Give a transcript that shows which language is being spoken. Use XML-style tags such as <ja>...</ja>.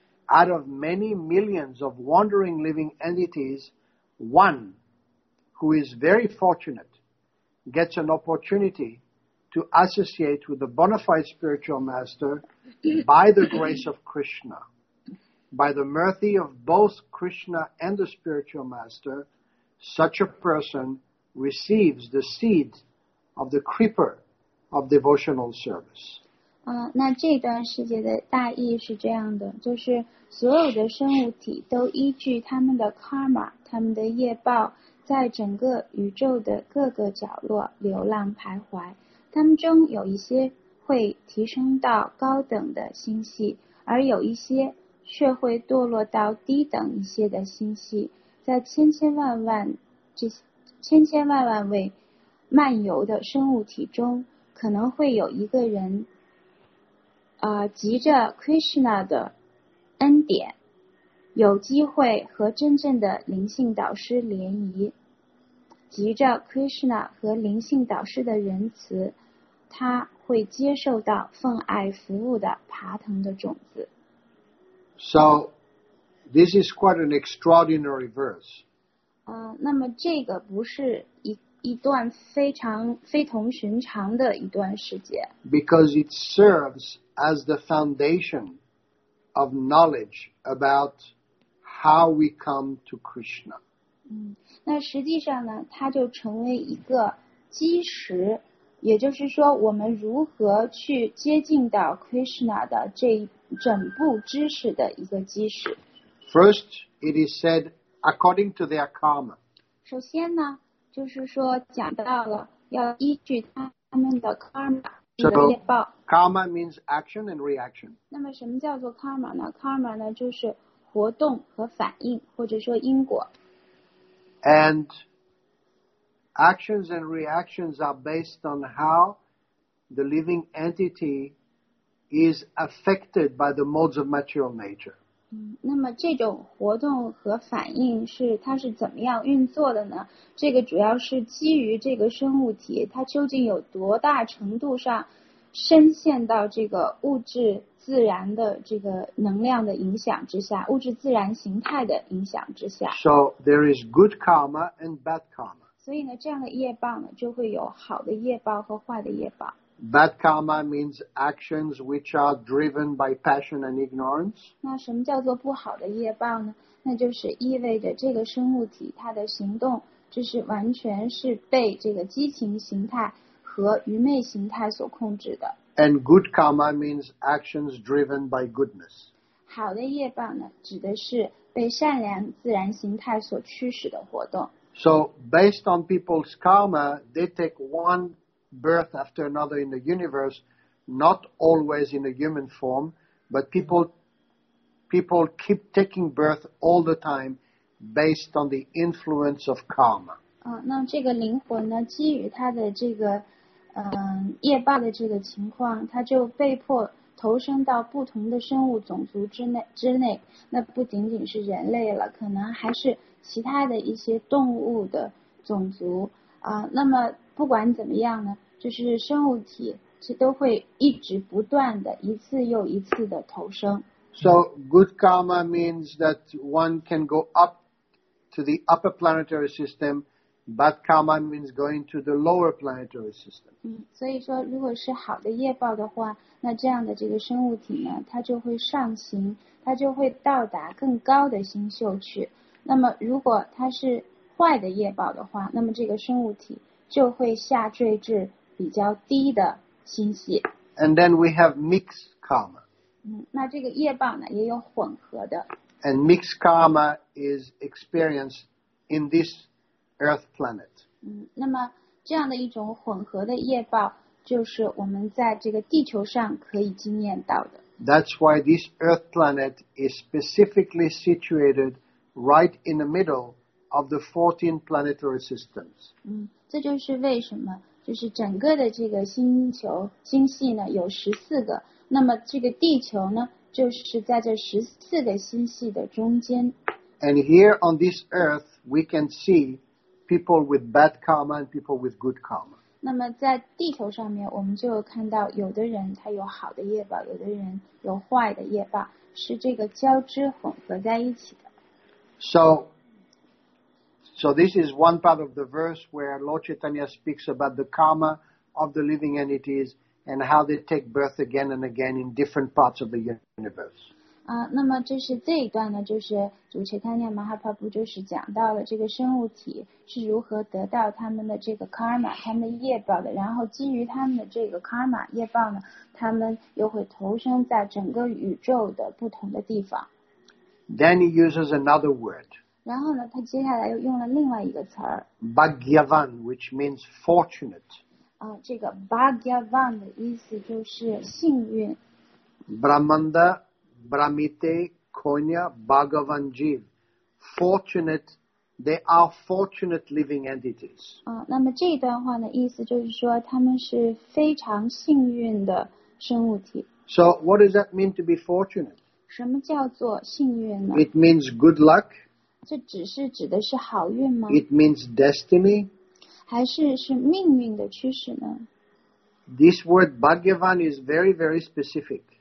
<en>Out of many millions of wandering living entities, one who is very fortunate gets an opportunity to associate with the bona fide spiritual master by the grace of Krishna. By the mercy of both Krishna and the spiritual master, such a personReceives the seed of the creeper of devotional service.</en> <zh>那这段世界的大意是这样的，就是所有的生物体都依据他们的 karma, 他们的业报，在整个宇宙的各个角落流浪徘徊。他们中有一些会提升到高等的星系，而有一些却会堕落到低等一些的星系，在千千万万这些。千千万万位漫游的生物体中，可能会有一个人，急着 Krishna 的恩典，有机会和真正的灵性导师联谊。急着 Krishna 和灵性导师的仁慈，他会接受到奉爱服务的爬藤的种子。</zh> <en>So, this is quite an extraordinary verse.</en> <zh>那么这个不是 一段非常非同寻常的一段时节。</zh> <en>Because it serves as the foundation of knowledge about how we come to Krishna.</en> <zh>那实际上呢，它就成为一个基石，也就是说我们如何去接近到 Krishna 的这整部知识的一个基石。</zh> <en>First, it is said,According to their karma.</en> <zh>首先呢，就是说讲到了要依据他们的 karma 的业报。</zh> <en>Karma means action and reaction.</en> <zh>那么什么叫做 karma 呢 ？Karma 呢就是活动和反应，或者说因果。</zh> <en>And actions and reactions are based on how the living entity is affected by the modes of material nature.</en> <zh>那么这种活动和反应是它是怎么样运作的呢？这个主要是基于这个生物体它究竟有多大程度上深陷到这个物质自然的这个能量的影响之下，物质自然形态的影响之下。</zh> <en>So there is good karma and bad karma.</en> <zh>所以呢，这样的业报呢，就会有好的业报和坏的业报。</zh> <en>Bad karma means actions which are driven by passion and ignorance.</en> <zh>那什么叫做不好的业报呢？那就是意味着这个生物体它的行动就是完全是被这个激情形态和愚昧形态所控制的。</zh> <en>And good karma means actions driven by goodness.</en> <zh>好的业报呢，指的是被善良自然形态所驱使的活动。</zh> <en>So based on people's karma, they take one. Birth after another in the universe, not always in a human form, but people keep taking birth all the time based on the influence of karma.</en> <zh>那这个灵魂呢，基于它的这个业报的这个情况，它就被迫投身到不同的生物种族之内。那不仅仅是人类了，可能还是其他的一些动物的种族那么。不管怎么样呢，就是生物体这都会一直不断的一次又一次的投生。</zh> <en>So good karma means that one can go up to the upper planetary system Bad karma means going to the lower planetary system.</en> <zh>所以说如果是好的业报的话，那这样的这个生物体呢，它就会上行，它就会到达更高的星宿去。那么如果它是坏的业报的话，那么这个生物体就会下坠至比较低的星系。</zh> <en>And then we have mixed karma.</en> <zh>那这个业报呢也有混合的。</zh> <en>And mixed karma is experienced in this earth planet.</en> <zh>那么这样的一种混合的业报就是我们在这个地球上可以经验到的。</zh> <en>That's why this earth planet is specifically situated right in the middle of the 14 planetary systems.</en> <zh>这就是为什么就是整个的这个星球星系呢有14个，那么这个地球呢就是在这14个星系的中间。</zh> <en>And here on this earth, we can see people with bad karma and people with good karma.</en> <zh>那么在地球上面我们就看到有的人他有好的业报，有的人有坏的业报，是这个交织混合在一起的。</zh> <en>So this is one part of the verse where Lord Chaitanya speaks about the karma of the living entities and how they take birth again and again in different parts of the universe.</en> <zh>那么这是这一段呢，就是主持他念马哈帕布，就是讲到了这个生物体是如何得到他们的这个 karma， 他们的业报的，然后基于他们的这个 karma 业报呢，他们又会投生在整个宇宙的不同的地方。</zh> <en>Then he uses another word.</en> <zh>然后呢，他接下来又用了另外一个词儿</zh> <en>，bhagyavan， which means fortunate.</en> <zh>这个 bhagyavan 的意思就是幸运。</zh> <sa>Brahmanda, Brahmite, Konya, Bhagavan, Jiv, fortunate.</sa> <en>They are fortunate living entities.</en> <zh>那么这段话呢，意思就是说他们是非常幸运的生物体。</zh> <en>So what does that mean to be fortunate?</en> <zh>什么叫做幸运呢</zh> <en>？It means good luck.</en> <zh>这只是指的是好运吗</zh> <en>？It means destiny.</en> <zh>还是命运的驱使呢</zh> <en>？This word Bhagyavan is very, very specific.</en>